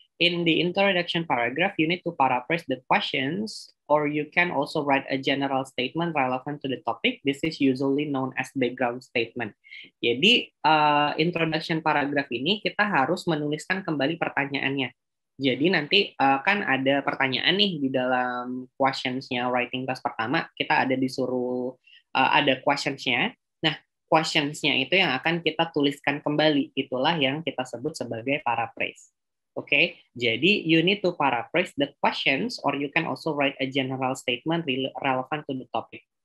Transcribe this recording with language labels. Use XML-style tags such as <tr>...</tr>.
<en>In the introduction paragraph, you need to paraphrase the questions, or you can also write a general statement relevant to the topic. This is usually known as background statement.</en> <id>Jadi introduction paragraph ini kita harus menuliskan kembali pertanyaannya. Jadi nanti kan ada pertanyaan nih di dalam questionsnya writing task pertama. Kita ada disuruh ada questions-nya. Nah, questions-nya itu yang akan kita tuliskan kembali. Itulah yang kita sebut sebagai paraphrase. Oke, okay? Jadi</id> <en>you need to paraphrase the questions, or you can also write a general statement relevant to the topic.</en>